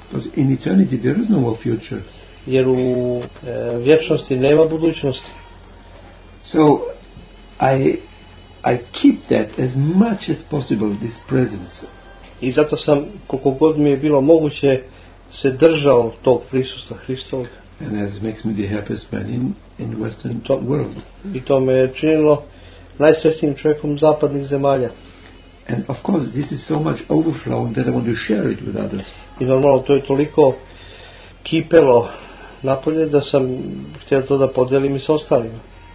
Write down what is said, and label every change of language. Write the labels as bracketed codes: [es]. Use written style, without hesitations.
[en] Because in eternity there is no future. [sr] Jer u vječnosti nema budućnosti. [en] So I keep that as much as possible, this presence. [sr] I zato sam koliko god mi je bilo moguće se držao tog prisustva Hristovog. [en] And that makes me the happiest man in Western world. [sr] I to me je činilo najsrećnijim čovjekom zapadnih zemalja. [en] And of course this is so much overflow that I want to share it with others. [sr] I normalno to je toliko kipelo napolje da sam htio to da podelim i sa ostalima.